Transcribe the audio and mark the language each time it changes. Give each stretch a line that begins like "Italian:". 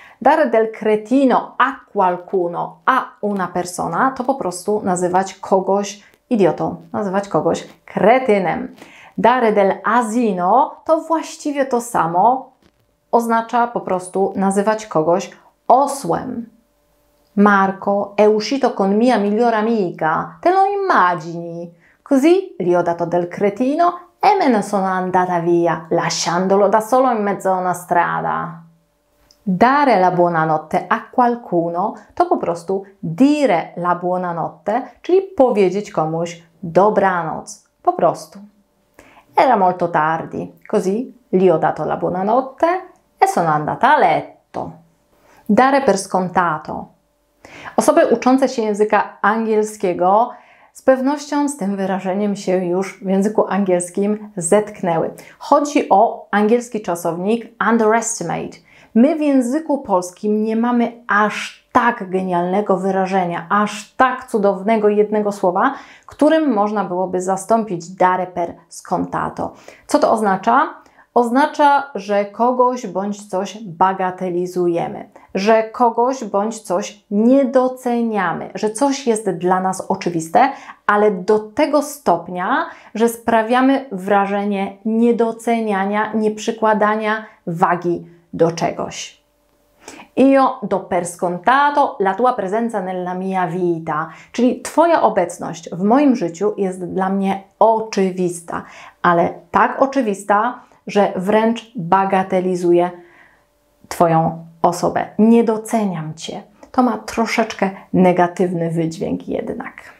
Italian: Dare del cretino a qualcuno a una persona
Polish: to po prostu nazywać kogoś idiotą, nazywać kogoś kretynem.
Italian: Dare del asino
Polish: to właściwie to samo, oznacza po prostu nazywać kogoś osłem.
Italian: Marco è uscito con mia migliore amica, te lo immagini? Così gli ho dato del cretino e me ne sono andata via, lasciandolo da solo in mezzo a una strada. Dare la buonanotte a qualcuno
Polish: to po prostu
Italian: dire la buonanotte,
Polish: czyli powiedzieć komuś dobranoc, po prostu.
Italian: Era molto tardi, così gli ho dato la buonanotte e sono andata a letto. Dare per scontato.
Polish: Osoby uczące się języka angielskiego z pewnością z tym wyrażeniem się już w języku angielskim zetknęły. Chodzi o angielski czasownik underestimate. My w języku polskim nie mamy aż tak genialnego wyrażenia, aż tak cudownego jednego słowa, którym można byłoby zastąpić dare per scontato. Co to oznacza? Oznacza, że kogoś bądź coś bagatelizujemy, że kogoś bądź coś niedoceniamy, że coś jest dla nas oczywiste, ale do tego stopnia, że sprawiamy wrażenie niedoceniania, nieprzykładania wagi do czegoś.
Italian: Io do per scontato la tua presenza nella mia vita.
Polish: Czyli twoja obecność w moim życiu jest dla mnie oczywista, ale tak oczywista, że wręcz bagatelizuję twoją osobę. Nie doceniam cię. To ma troszeczkę negatywny wydźwięk jednak.